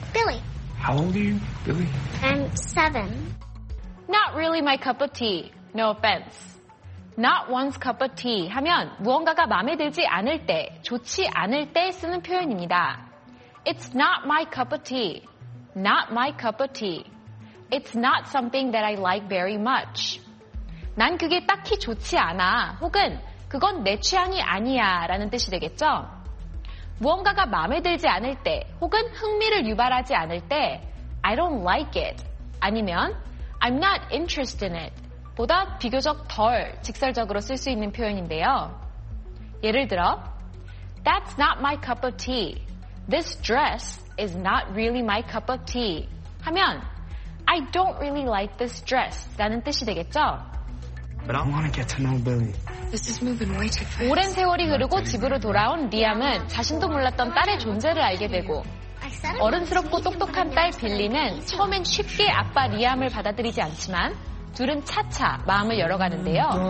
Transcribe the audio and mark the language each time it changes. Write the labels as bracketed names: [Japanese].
[English] Billy. How old are you, Billy? I'm 7. Not really my cup of tea. No offense. Not one's cup of tea [Korean] 하면 무언가가 마음에 들지 않을 때, 좋지 않을 때 쓰는 표현입니다. [English] It's not my cup of tea. Not my cup of tea. It's not something that I like very much. [Korean] 난 그게 딱히 좋지 않아. 혹은 그건 내 취향이 아니야 라는 뜻이 되겠죠? 무언가가 마음에 들지 않을 때, 혹은 흥미를 유발하지 않을 때, [English] I don't like it. [Korean] 아니면 [English] I'm not interested in it. [Korean] 보다 비교적 덜 직설적으로 쓸 수 있는 표현인데요. 예를 들어, [English] That's not my cup of tea. This dress is not really my cup of tea. [Korean] 하면, [English] I don't really like this dress [Korean] 라는 뜻이 되겠죠? [English] But I want to get to know Billy. This is moving way too fast. [Korean] 오랜 세월이 흐르고 집으로 돌아온 리암은 자신도 몰랐던 딸의 존재를 알게 되고, 어른스럽고 똑똑한 딸 빌리는 처음엔 쉽게 아빠 리암을 받아들이지 않지만, 둘은 차차 마음을 열어가는데요.